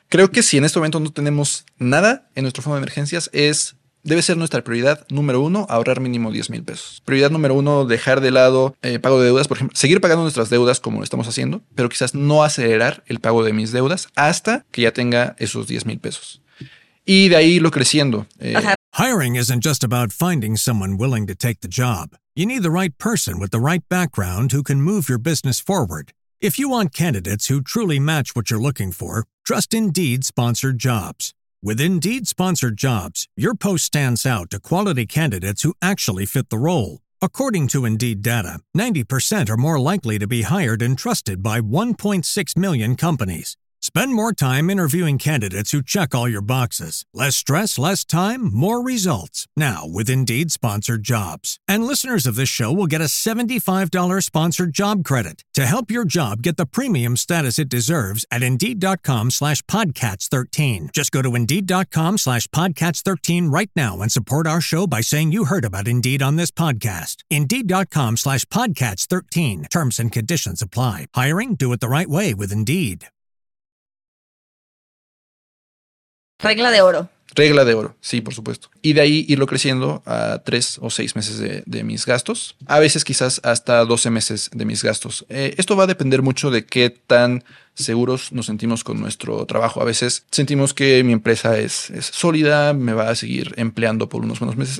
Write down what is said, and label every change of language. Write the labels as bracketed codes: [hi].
[es] Creo que si en este momento no tenemos nada en nuestro fondo de emergencias, es... Debe ser nuestra prioridad número uno, ahorrar mínimo 10 mil pesos. Prioridad número uno, dejar de lado pago de deudas, por ejemplo, seguir pagando nuestras deudas como lo estamos haciendo, pero quizás no acelerar el pago de mis deudas hasta que ya tenga esos 10 mil pesos. Y de ahí lo creciendo. [en] Hiring isn't just about finding someone willing to take the job. You need the right person with the right background who can move your business forward. If you want candidates who truly match what you're looking for, trust Indeed Sponsored Jobs. With Indeed-sponsored jobs, your post stands out to quality candidates who actually fit the role. According to Indeed data, 90% are more likely to be hired and trusted by 1.6 million companies. Spend more time interviewing candidates who check all your boxes. Less stress, less time, more results. Now, with Indeed-sponsored jobs. And listeners of this show will get a $75 sponsored job credit to help your job get the premium status it deserves at Indeed.com/podcast13. Just go to Indeed.com/podcast13 right now and support our show by saying you heard about Indeed on this podcast. Indeed.com/podcast13. Terms and conditions apply. Hiring? Do it the right way with Indeed. [es] Regla de oro. Regla de oro, sí, por supuesto. Y de ahí irlo creciendo a 3 o 6 meses de mis gastos. A veces quizás hasta 12 meses de mis gastos. Esto va a depender mucho de qué tan seguros nos sentimos con nuestro trabajo. A veces sentimos que mi empresa es sólida, me va a seguir empleando por unos buenos meses.